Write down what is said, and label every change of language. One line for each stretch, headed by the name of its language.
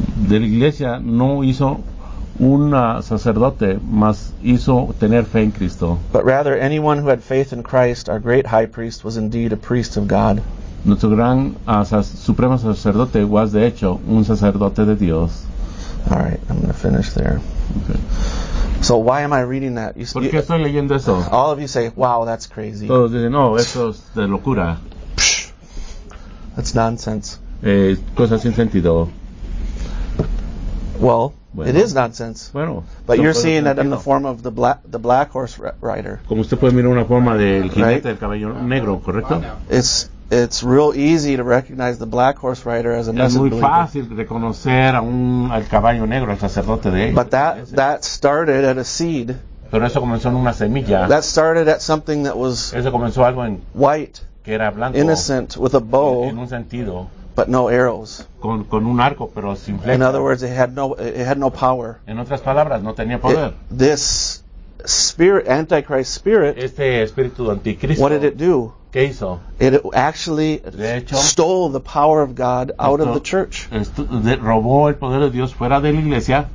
Spanish: de la iglesia no hizo un sacerdote, mas hizo tener fe en Cristo.
English: But rather, anyone who had faith in Christ, our great high priest, was indeed a priest of God.
Spanish: Nuestro gran supremo sacerdote
English: was,
Spanish: de hecho, un sacerdote de Dios.
English: All right, I'm going to finish there. Okay. So why am I reading that?
Spanish: ¿Por qué estoy leyendo eso?
English: All of you say, wow, that's crazy.
Spanish: Todos dicen, no, eso es de locura.
English: That's nonsense.
Spanish: Cosa sin sentido.
English: Well,
Spanish: bueno,
English: it is nonsense.
Spanish: Bueno,
English: but you're seeing that in the form of the black horse rider.
Spanish: Como usted puede mirar una forma del jinete,
English: right?
Spanish: Del caballo negro, ¿correcto?
English: It's real easy to recognize the black horse rider as a blessed believer.
Spanish: Es muy fácil reconocer al caballo negro, al sacerdote de ellos.
English: But that started at a seed.
Spanish: Pero eso comenzó en una semilla.
English: That started at something that was
Spanish: eso comenzó algo en
English: white,
Spanish: que era blanco,
English: innocent, with a bow.
Spanish: En un sentido.
English: But no arrows.
Spanish: Con un arco, pero sin flecha.
English: In other words, it had no power.
Spanish: En otras palabras, no tenía poder.
English: This spirit, Antichrist spirit.
Spanish: Este espíritu de anticristo.
English: What did it do?
Spanish: ¿Qué hizo?
English: It actually stole the power of God out of the church.
Spanish: Robó el poder de Dios fuera de la iglesia.